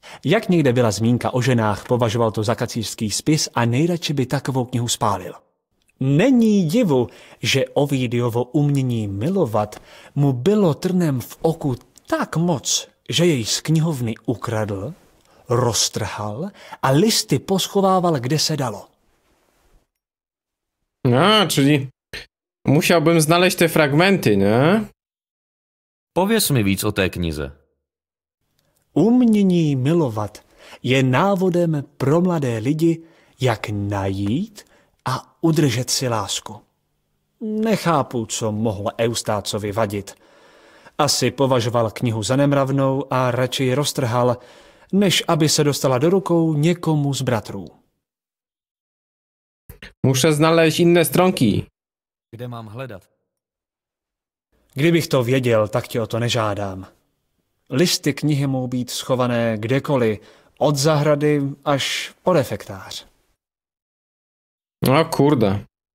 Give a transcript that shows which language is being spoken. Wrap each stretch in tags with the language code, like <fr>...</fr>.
<cs>Jak někde byla zmínka o ženách, považoval to za kacířský spis a nejradši by takovou knihu spálil. Není divu, že Ovidiovo umění milovat mu bylo trnem v oku tak moc, že jej z knihovny ukradl, roztrhal a listy poschovával, kde se dalo.</cs> <pl>No, čili musiałbym znaleźć te fragmenty, nie?</pl> <cs>Pověz mi víc o té knize. Umění milovat je návodem pro mladé lidi, jak najít a udržet si lásku. Nechápu, co mohl Eustácovi vadit. Asi považoval knihu za nemravnou a radši ji roztrhal, než aby se dostala do rukou někomu z bratrů.</cs> <pl>Muszę znaleźć inne stronki.</pl> <cs>Kde mám hledat? Kdybych to věděl, tak tě o to nežádám. Listy knihy mohou být schované kdekoliv, od zahrady až po refektář.</cs> <pl>No kurde.</pl>